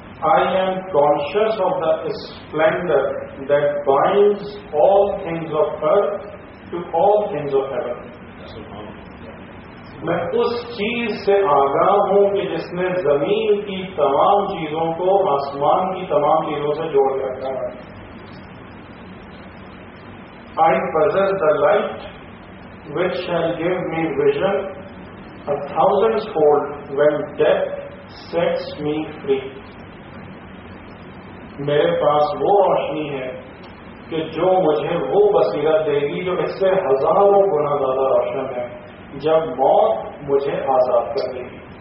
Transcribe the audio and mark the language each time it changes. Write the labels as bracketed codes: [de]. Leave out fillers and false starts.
[en] I am conscious of the splendour that binds all things of earth to all things of heaven. [ur] میں اس چیز سے آگاہ ہوں کہ جس نے زمین کی تمام چیزوں کو آسمان کی تمام چیزوں سے جوڑ کر رکھا ہے. [en] I present the light which shall give me vision a thousand fold when death sets me free. [ur] میرے پاس وہ روشنی ہے کہ جو مجھے وہ بصیرت دے گی جو اس سے ہزاروں گنا زیادہ روشن ہے جب موت مجھے آزاد کر دے گی.